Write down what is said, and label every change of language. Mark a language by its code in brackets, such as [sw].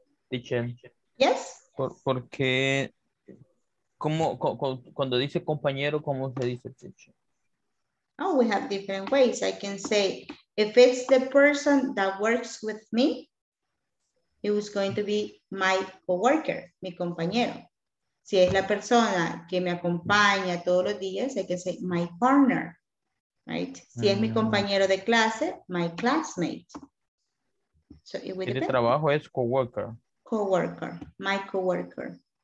[en] Teacher. Yes. [es] Porque como cuando dice compañero, ¿cómo se dice [en] teacher? Oh, we have different ways. I can say if it's the person that works with me, it was going to be my coworker, [es] mi compañero. Si es la persona que me acompaña todos los días, [en] I can say my partner, right? [es] Si es mi compañero de clase, [en] my classmate. So it would depend. [es] El trabajo es coworker. [en] Coworker, my coworker.